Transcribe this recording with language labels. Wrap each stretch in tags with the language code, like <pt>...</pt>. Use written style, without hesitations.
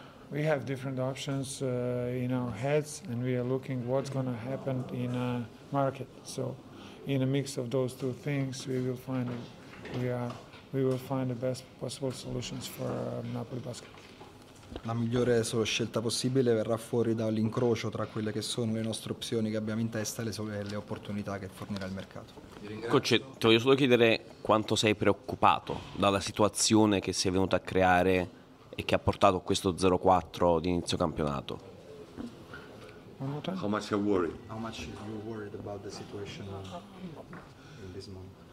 <en>We have different options in our heads, and we are looking what's going to happen in a market. So, in a mix of those two things, we will find the best possible solutions for Napoli Basket.</en> <it>La migliore scelta possibile verrà fuori dall'incrocio tra quelle che sono le nostre opzioni che abbiamo in testa e le opportunità che fornirà il mercato. Coach, ti voglio solo chiedere quanto sei preoccupato dalla situazione che si è venuta a creare e che ha portato questo 0-4 di inizio campionato.</it> <en>How much are you worried? How much are you worried about the situation in this moment?</en>